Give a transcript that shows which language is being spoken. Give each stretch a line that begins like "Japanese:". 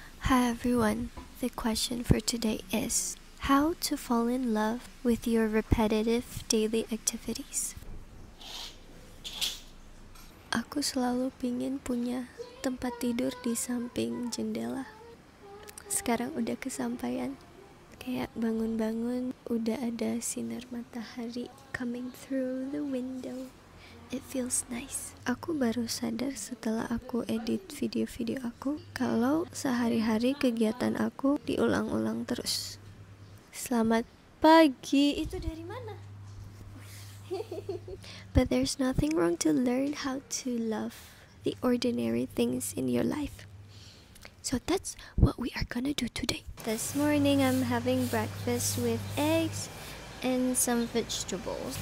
English: Hi everyone, the question for today is how to fall in love with your repetitive daily activities.
Indonesian: Aku selalu pingin punya tempat tidur di samping jendela. Sekarang udah kesampaian. Kayak bangun-bangun udah ada sinar matahari
English: coming through the window. It feels nice.
Indonesian: Aku baru sadar setelah aku edit video-video aku kalau sehari-hari kegiatan aku diulang-ulang terus. Selamat pagi. Itu dari mana?
English: But there's nothing wrong to learn how to love the ordinary things in your life. So that's what we are gonna do today. This morning I'm having breakfast with eggs and some vegetables.